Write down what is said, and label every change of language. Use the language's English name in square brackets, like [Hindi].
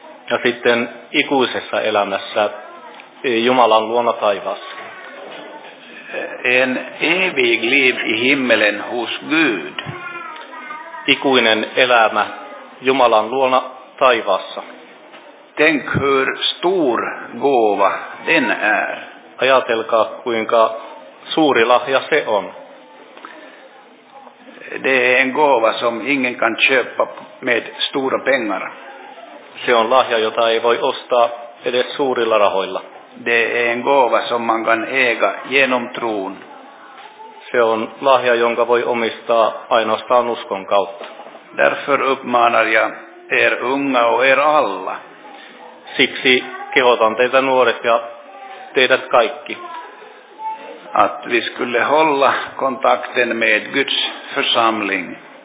[Finnish] Ja sitten ikuisessa elämässä Jumalan luona taivaassa. [Swedish] En evig liv i himmelen hos Gud. [Finnish] Ikuinen elämä Jumalan luona taivaassa. [Swedish] Tänk hur stor gåva den är. [Finnish] Ajatelkaa, kuinka suuri lahja se on. [Swedish] Det är en gåva som ingen kan köpa med stora pengar. [Finnish] Se on lahja, jota ei voi ostaa edes suurilla rahoilla. [Swedish] Det är en gåva som man kan äga genom tron. [Finnish] Se on lahja, jonka voi omistaa ainoastaan uskon kautta. [Swedish] Därför uppmanar jag er unga och er alla. [Finnish] Siksi kehotan teitä nuoret ja teidät kaikki. [Swedish] Att vi skulle hålla kontakten med Guds församling.